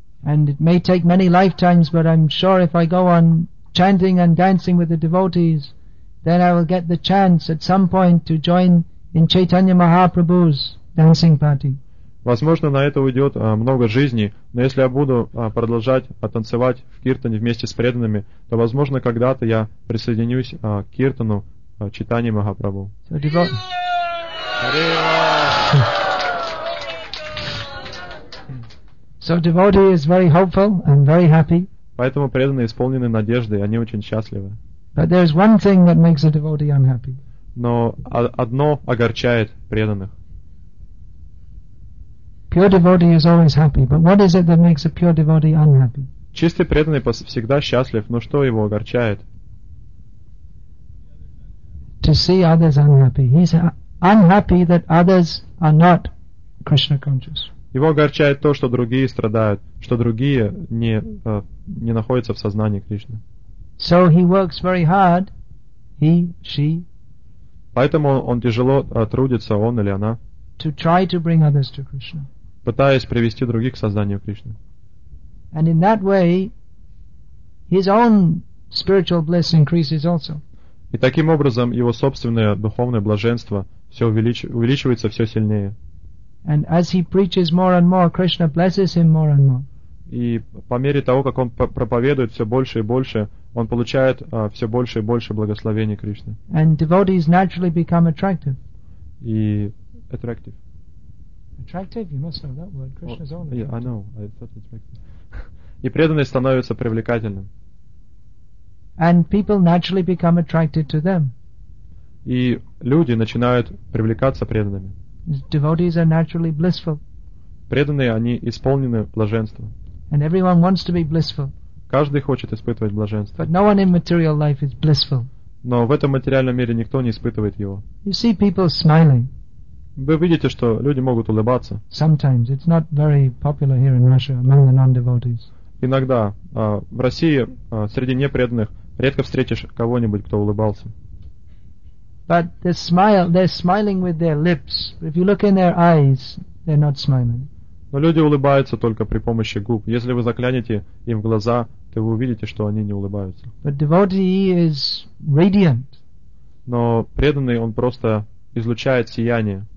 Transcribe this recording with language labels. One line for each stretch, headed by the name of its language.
English: And it may take many lifetimes, but I'm sure if I go on chanting and dancing with the devotees, then I will get the chance at some point to join in Chaitanya Mahaprabhu's dancing party.
Russian: Возможно, на это уйдет много жизней, но если я буду продолжать танцевать в киртане вместе с преданными, то, возможно, когда-то я присоединюсь к киртану читания Махапрабху.
English: So, devote... So devotee is very hopeful and very happy.
Russian: Поэтому преданные исполнены надежды, они очень счастливы.
English: But there is one thing that makes a devotee unhappy.
Russian: Но одно огорчает преданных.
English: Pure devotee is always happy, but what is it that makes a pure devotee unhappy?
Russian: Чистый преданный всегда счастлив, но что его огорчает?
English: To see others unhappy. He's unhappy that others are not Krishna conscious.
Russian: Его огорчает то, что другие страдают, что другие не находятся в сознании Кришны.
English: So he works very hard, he, she.
Russian: Поэтому он тяжело трудится, он или она.
English: To try to bring others to Krishna.
Russian: Пытаясь привести других к сознанию Кришны.
English: And in that way, his own spiritual bliss increases also.
Russian: И таким образом его собственное духовное блаженство все увеличивается все сильнее.
English: And as he preaches more and more, Krishna blesses him more and more.
Russian: И по мере того, как он проповедует все больше и больше, он получает все больше и больше благословений Кришны.
English: And devotees naturally become attractive.
Russian: И attractive.
English: Attractive, you must know that word. Krishna's own. Yeah, I know. I thought it's attractive.
Russian: И преданность становится привлекательным.
English: And people naturally become attracted to them.
Russian: И люди начинают привлекаться преданными.
English: Devotees are naturally blissful.
Russian: Преданные, они исполнены блаженства.
English: And everyone wants to be blissful.
Russian: Каждый хочет испытывать блаженство.
English: But no one in material life is blissful.
Russian: Но в этом материальном мире никто не испытывает его.
English: You see people smiling.
Russian: Вы видите, что люди могут улыбаться.
English: Sometimes it's not very popular here in Russia among the non-devotees.
Russian: Иногда в России среди непреданных редко встретишь кого-нибудь, кто улыбался.
English: But they smile. They're smiling with their lips. If you look in their eyes, they're not smiling.
Russian: Но люди улыбаются только при помощи губ. Если вы заглянете им в глаза, то вы увидите, что они не улыбаются.
English: But devotee is radiant.
Russian: Но преданный, он просто излучает сияние.